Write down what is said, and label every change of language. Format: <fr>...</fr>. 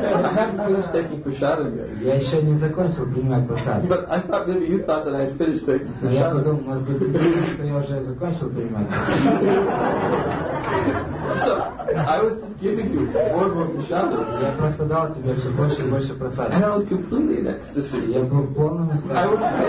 <ru>Я еще не закончил принимать просаду.</ru> <en>But I thought maybe you thought that I had finished taking prasad.</en> <ru>Я подумал, может быть, ты думаешь, что я уже закончил принимать просаду. Я просто дал тебе все больше и больше просады.</ru> <en>And I was completely in ecstasy.</en> <ru>Я был в полном экстазе.</ru>